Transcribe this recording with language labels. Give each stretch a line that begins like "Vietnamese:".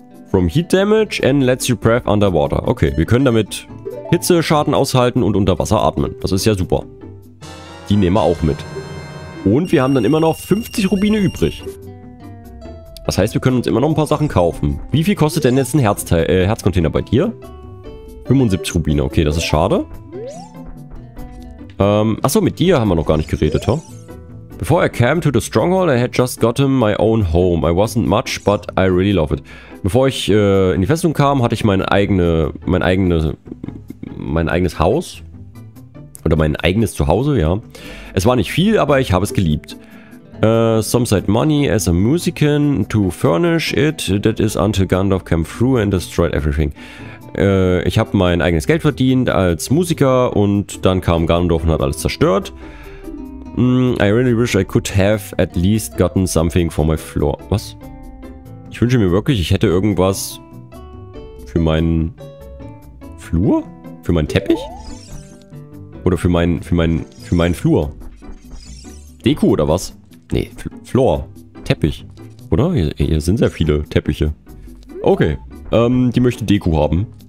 English: From heat damage and lets you breathe underwater.
German: Okay, wir können damit Hitzeschaden aushalten und unter Wasser atmen. Das ist ja super. Die nehmen wir auch mit. Und wir haben dann immer noch 50 Rubine übrig. Das heißt, wir können uns immer noch ein paar Sachen kaufen. Wie viel kostet denn jetzt ein Herzcontainer bei dir? 75 Rubine. Okay, das ist schade. Achso, mit dir haben wir noch gar nicht geredet, huh?
English: Before I came to the stronghold, I had just gotten my own home. I wasn't much, but I really love it.
German: Bevor ich in die Festung kam, hatte ich mein eigenes Haus. Oder mein eigenes Zuhause, ja. Es war nicht viel, aber ich habe es geliebt.
English: Some said money as a musician to furnish it. That is until Gandalf came through and destroyed everything.
German: Ich habe mein eigenes Geld verdient als Musiker und dann kam Gandalf und hat alles zerstört.
English: I really wish I could have at least gotten something for my floor.
German: Was? Ich wünsche mir wirklich, ich hätte irgendwas für meinen Flur? Für meinen Teppich? Oder für meinen Flur? Deko oder was? Nee, Floor. Teppich. Oder? Hier sind sehr viele Teppiche. Okay. Die möchte Deko haben.